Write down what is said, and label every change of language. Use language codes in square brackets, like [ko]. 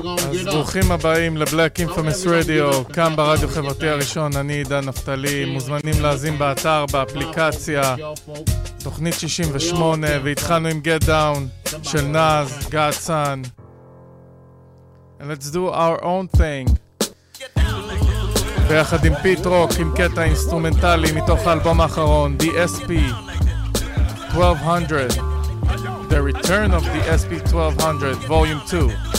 [he] אז ברוכים הבאים לבלק אינפמס רדיו, כאן ברדיו חברתי הראשון, אני עידן נפתלי, מוזמנים להזין באתר, באפליקציה, תוכנית 68, והתחלנו עם גט דאון של נאז, גאד סאן. [en] And let's do our own thing. [he] ביחד עם פיט רוק, עם קטע אינסטרומנטלי מתוך האלבום האחרון, DSP 1200, The Return of DSP 1200, Volume 2.